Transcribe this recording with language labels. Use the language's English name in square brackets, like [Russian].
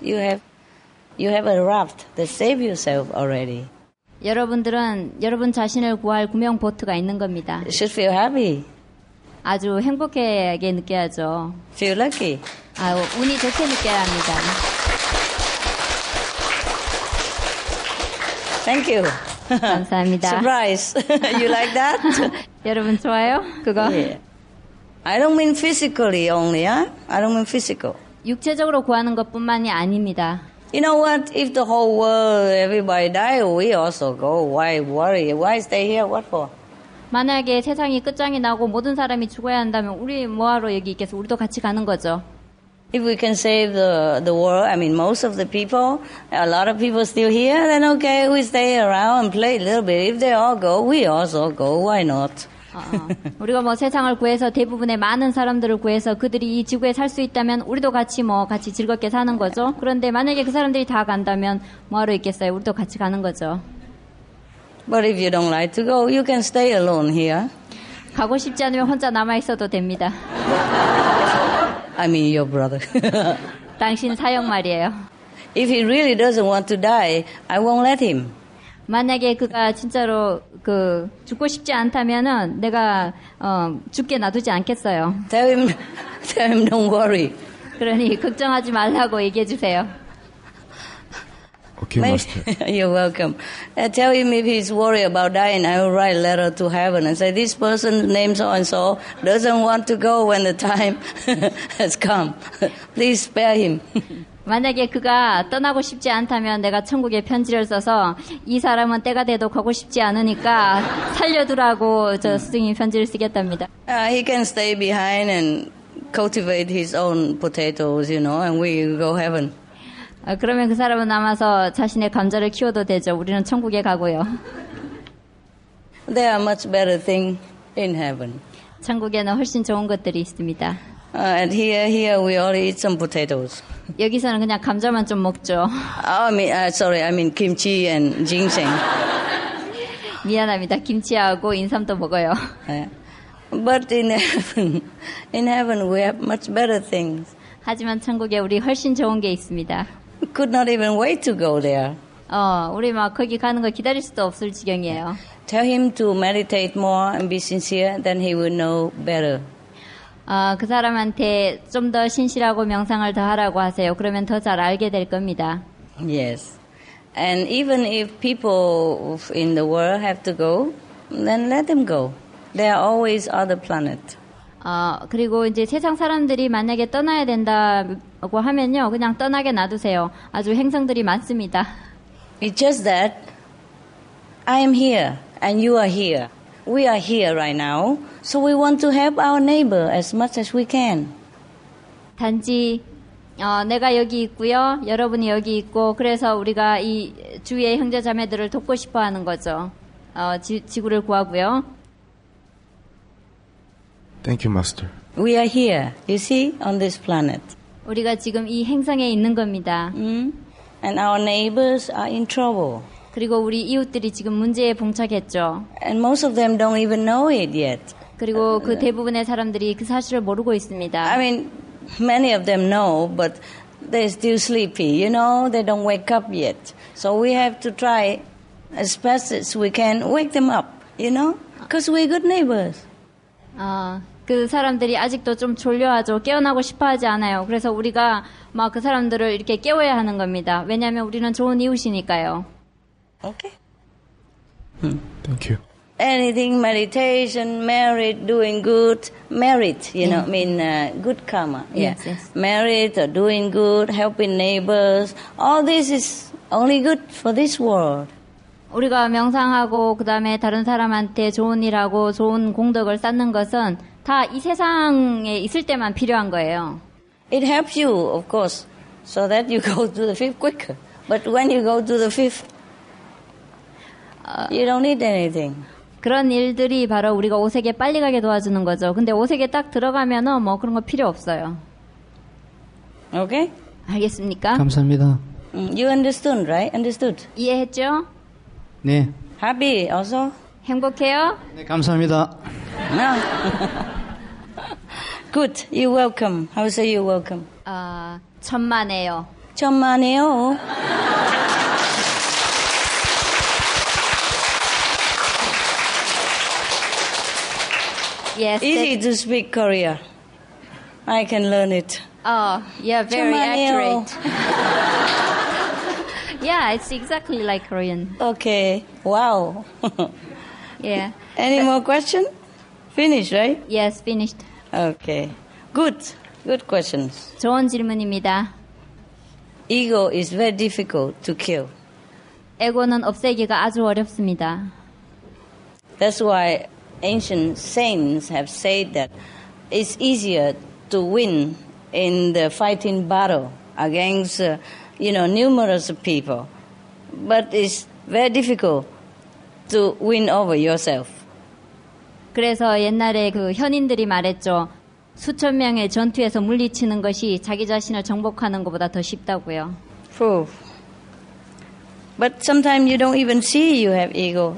[English] You have a raft that save yourself already. [Korean] 여러분들은 여러분 자신을 구할 구명 보트가 있는 겁니다. [English] You should feel happy. [Korean] 아주 행복하게 느껴야죠. [English] Feel lucky. [Korean] 아, 운이 좋게 느껴야 합니다. [English] Thank you. [Korean] 감사합니다. [English] Surprise. You like that? [Korean] 여러분 좋아요? 그거? [English] Yeah. I don't mean physically only, huh? I don't mean physical. [Korean] 육체적으로 구하는 것뿐만이 아닙니다. [English] You know what? If the whole world, everybody die, we also go. Why worry? Why stay here? What for? [Korean] 만약에 세상이 끝장이 나고 모든 사람이 죽어야 한다면 우리 뭐하러 여기 있겠어? 우리도 같이 가는 거죠. [English] If we can save the world, I mean most of the people, a lot of people still here, then okay, we stay around and play a little bit. If they all go, we also go. Why not? [Korean] 우리가 뭐 세상을 구해서 대부분의 많은 사람들을 구해서 그들이 이 지구에 살 수 있다면 우리도 같이 뭐 같이 즐겁게 사는 거죠. 그런데 만약에 그 사람들이 다 간다면 뭐하러 있겠어요? 우리도 같이 가는 거죠. [English] But if you don't like to go, you can stay alone here. [Korean] 가고 싶지 않으면 혼자 남아 있어도 됩니다. [English] I mean your brother. [Korean] 당신 사형 말이에요. [English] If he really doesn't want to die, I won't let him. [Korean] 만약에 그가 진짜로 그 죽고 싶지 않다면은 내가 죽게 놔두지 않겠어요. [English] Tell him don't worry. [Korean] 그러니 걱정하지 말라고 얘기해 주세요. [English] Okay, master. You're welcome. Tell him if he's worried about dying, I will write a letter to heaven and say this person's name so and so doesn't want to go when the time has come. Please spare him. [Korean] 만약에 그가 떠나고 싶지 않다면 내가 천국에 편지를 써서 이 사람은 때가 돼도 가고 싶지 않으니까 살려두라고 저 스승님 편지를 쓰겠답니다. [English] He can stay behind and cultivate his own potatoes, you know, and we go heaven. [Korean] 그러면 그 사람은 남아서 자신의 감자를 키워도 되죠. 우리는 천국에 가고요. [English] There are much better things in heaven. [Korean] 천국에는 훨씬 좋은 것들이 있습니다. [English] And here we all eat some potatoes. [Korean] 여기서는 그냥 감자만 좀 먹죠. [English] I mean kimchi and ginseng. [Korean] 미안합니다. 김치하고 인삼도 먹어요. [English] But in heaven we have much better things. [Korean] 하지만 천국에 우리 훨씬 좋은 게 있습니다. [English] Could not even wait to go there. [Korean] 우리 막 거기 가는 거 기다릴 수도 없을 지경이에요. [English] Tell him to meditate more and be sincere, then he will know better. [Korean] 그 사람한테 좀 더 신실하고 명상을 더 하라고 하세요. 그러면 더 잘 알게 될 겁니다. [English] Yes. And even if people in the world have to go, then let them go. There are always other planets. [Korean] 그리고 이제 세상 사람들이 만약에 떠나야 된다고 하면요. 그냥 떠나게 놔두세요. 아주 행성들이 많습니다. [English] It's just that I am here and you are here. We are here right now, so we want to help our neighbor as much as we can. [Korean] 단지 내가 여기 있고요, 여러분이 여기 있고, 그래서 우리가 이 주위의 형제 자매들을 돕고 싶어 하는 거죠. 지구를 구하고요. [English] Thank you, Master. We are here, you see, on this planet. [Korean] 우리가 지금 이 행성에 있는 겁니다. Mm? [English] And our neighbors are in trouble. [Korean] 그리고 우리 이웃들이 지금 문제에 봉착했죠. [English] And most of them don't even know it yet. [Korean] 그리고 그 대부분의 사람들이 그 사실을 모르고 있습니다. [English] I mean, many of them know, but they're still sleepy. You know, they don't wake up yet. So we have to try as best as we can wake them up, you know? Because we're good neighbors. [Korean] 그 사람들이 아직도 좀 졸려하죠. 깨어나고 싶어하지 않아요. 그래서 우리가 막 그 사람들을 이렇게 깨워야 하는 겁니다. 왜냐하면 우리는 좋은 이웃이니까요. [English] Okay. Thank you. Anything, meditation, merit, doing good, merit, you know, mean good karma. Yeah. Yes, yes. Merit or doing good, helping neighbors. All this is only good for this world. [Korean] 우리가 명상하고 그 다음에 다른 사람한테 좋은 일하고 좋은 공덕을 쌓는 것은 다 이 세상에 있을 때만 필요한 거예요. [English] It helps you, of course, so that you go to the fifth quicker. But when you go to the fifth, you don't need anything. [Korean] 그런 일들이 바로 우리가 오색에 빨리 가게 도와주는 거죠. 근데 오색에 딱 들어가면 뭐 그런 거 필요 없어요. [English] Okay? [Korean] 알겠습니까? 감사합니다. [English] You understood, right? Understood? [Korean] 이해했죠? 네. [English] Happy also? [Korean] 행복해요? 네, 감사합니다. [English] Good. You're welcome. How say you're welcome? [Korean] 천만에요. 천만에요? [English] Yes. Easy that... to speak Korea. I can learn it. Oh, yeah, very [Korean] 천만에요. [English] Accurate. Yeah, it's exactly like Korean. Okay. Wow. Yeah. Any more question? Finished, right? Yes, finished. Okay. Good. Good questions. [Korean] 좋은 질문입니다. [English] Ego is very difficult to kill. [Korean] 에고는 없애기가 아주 어렵습니다. [English] That's why ancient saints have said that it's easier to win in the fighting battle against you know, numerous people. But it's very difficult to win over yourself. [Korean] 그래서 옛날에 그 현인들이 말했죠. 수천 명의 전투에서 물리치는 것이 자기 자신을 정복하는 것보다 더 쉽다고요. [English] But sometimes you don't even see you have ego.